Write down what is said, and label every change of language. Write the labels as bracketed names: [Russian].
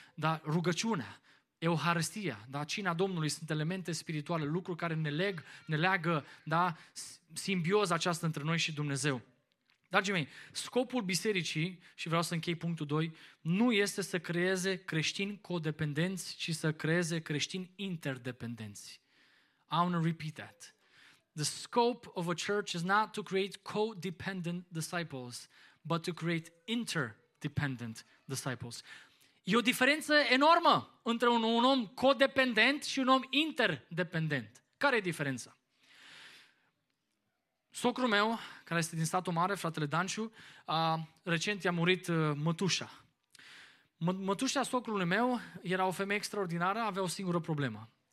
[Romanian] Dar rugăciunea, euharistia, da? Cina Domnului sunt elemente spirituale, lucruri care ne leagă, da? Simbioza aceasta între noi și Dumnezeu. Dragii mei, scopul bisericii, și vreau să închei punctul 2, nu este să creeze creștini codependenți, ci să creeze creștini interdependenți. [English] I want to repeat that. The scope of a church is not to create codependent disciples, but to create interdependent disciples. [Romanian] E o diferență enormă între un om codependent și un om interdependent. Care e diferența? Socrul meu, care este din statul mare, fratele Danciu, recent i-a murit mătușa. Mătușa socrului meu era o femeie extraordinară, avea o singură problemă.